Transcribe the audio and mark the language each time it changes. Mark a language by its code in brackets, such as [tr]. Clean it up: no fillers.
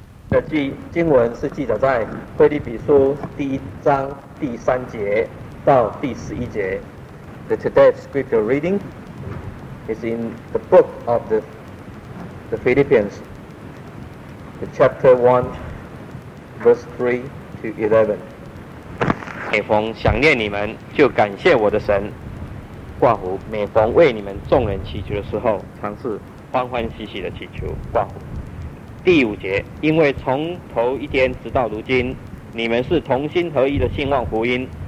[zh] 的经文是记载在腓立比书第一章第三节到第十一节。 [en] The today's scripture reading is in the book of the Philippians, the chapter 1, verse 3 to 11. [zh] 每逢想念你们，就感谢我的神。括弧每逢为你们众人祈求的时候，常是欢欢喜喜的祈求。括弧第五节，因为从头一天直到如今，你们是同心合一的信望福音。